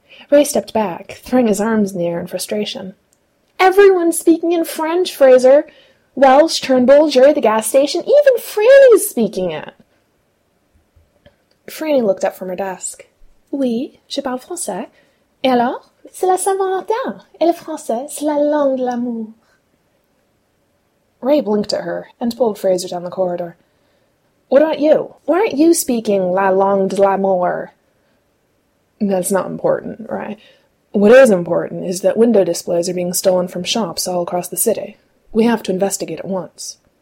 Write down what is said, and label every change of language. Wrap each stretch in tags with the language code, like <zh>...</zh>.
<en>Ray stepped back, throwing his arms in the air in frustration. Everyone's speaking in French, Fraser! Welsh, Turnbull, Jerry the gas station, even Franny's speaking it! Franny looked up from her desk.</en> <fr>Oui, je parle français. Et alors? C'est la Saint-Valentin. Et le français, c'est la langue de l'amour.</fr> <en>Ray blinked at her and pulled Fraser down the corridor. What about you? Why aren't you speaking</en> <fr>la langue de l'amour?</fr> <en>That's not important, right? What is important is that window displays are being stolen from shops all across the city. We have to investigate at once.</en>